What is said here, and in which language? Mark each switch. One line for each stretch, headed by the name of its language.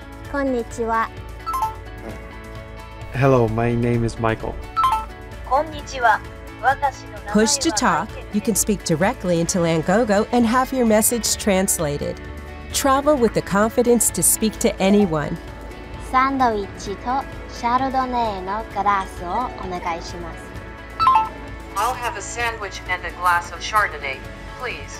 Japanese: こんにちは。
English: Hello, my name is Michael.
Japanese: こんにちは。
English: Push to talk, you can speak directly into Langogo and have your message translated. Travel with the confidence to speak to anyone.
Japanese: サンドイッチとシャルドネのグラスをお願いします。
English: I'll have a sandwich and a glass of Chardonnay, please.